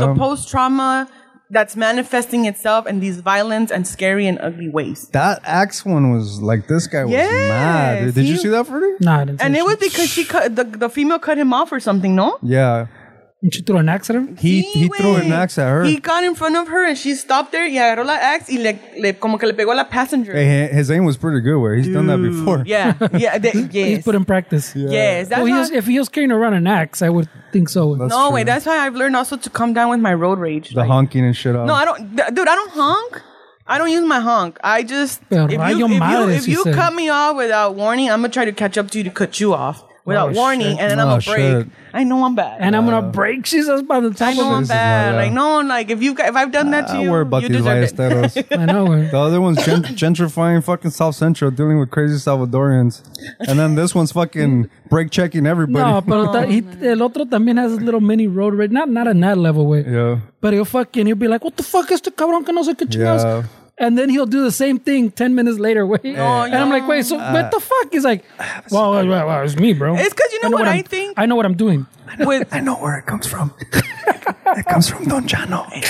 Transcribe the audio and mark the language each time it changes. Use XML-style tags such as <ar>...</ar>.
<en>The post-trauma that's manifesting itself in these violent and scary and ugly ways. That axe one was like, this guy was mad. Did you see that for me? Nah, I didn't see And it was because she cut the female cut him off or something, no? Yeah. And she threw an axe at him? He threw an axe at her. He got in front of her and she stopped there.</en> <es>Y agarró la axe y le como que le pegó a la passenger.</es> <en>Hey, his aim was pretty good. Where he's done that before. Yeah. Yes. He's put in practice. Yeah. Yes. That's if he was carrying around an axe, I would think so. No way. That's why I've learned also to calm down with my road rage. The honking and shit off. No, I don't. Dude, I don't honk. I don't use my honk. I just. If you cut me off without warning, I'm going to try to catch up to you to cut you off. Without warning, shit. And then I'm going to break. I know I'm bad. And I'm going to break. She says, by the time. I know I'm bad. I know. Like, if I've done that to you, you deserve it. I worry about these Ballesteros. I know. The other one's gentrifying fucking South Central, dealing with crazy Salvadorians. And then this one's fucking break checking everybody.</en> <es>No, pero el otro también</es> <en>has a little mini road rage. Not in that level way. Yeah. But he'll be like, what the fuck is the</en> <es>cabrón que no se que chingas?</es> <en>Yeah. And then he'll do the same thing 10 minutes later. I'm like, wait, so what the fuck? He's like, well, it's me, bro. It's because I think. I know what I'm doing. I know where it comes from. It comes from Don Chano.</en>